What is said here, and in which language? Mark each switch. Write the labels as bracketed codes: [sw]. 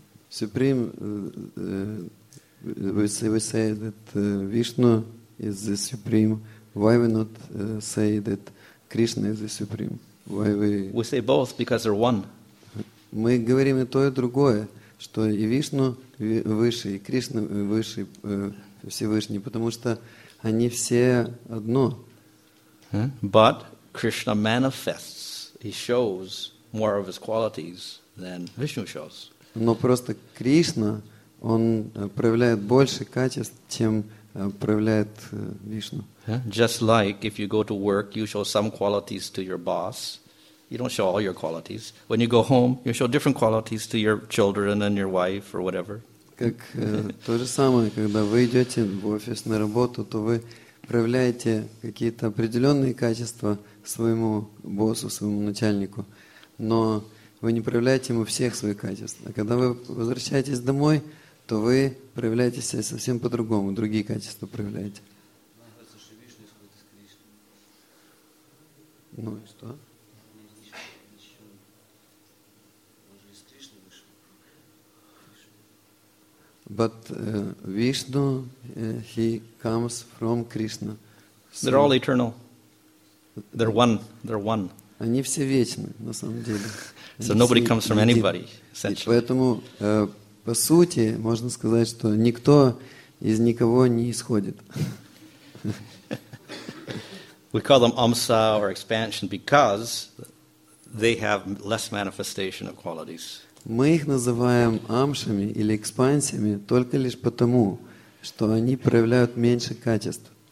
[en] Supreme, we say that Vishnu is the supreme. Why we not say that Krishna is the supreme? Why we say both because they're one. [ru] Мы говорим и то, и другое. Что и Вишну выше, и Кришна выше, Всевышний, потому что они все одно. [en] But Krishna manifests, he shows more of his qualities than Vishnu shows. [ru] Но просто Кришна, он проявляет больше качеств, чем проявляет Вишну. [en] Just like if you go to work, you show some qualities to your boss. You don't show all your qualities. When you go home, you show different qualities to your children and your wife or whatever. [ru] Как то же самое, когда вы идете в офис на работу, то вы проявляете какие-то определенные качества своему боссу, своему начальнику, но вы не проявляете ему всех своих качеств. А когда вы возвращаетесь домой, то вы проявляете себя совсем по-другому, другие качества проявляете. Ну и что? [en] But Vishnu, he comes from Krishna. So they're all eternal. They're one. They're one. [ru] Они все вечны, на самом деле. [en] So nobody comes from anybody, essentially. [ru] Поэтому, по сути, можно сказать, что никто из никого не исходит. [en] We call them amsa or expansion because they have less manifestation of qualities. [ru] Мы их называем амшами или экспансиями только лишь потому, что они проявляют меньше качеств.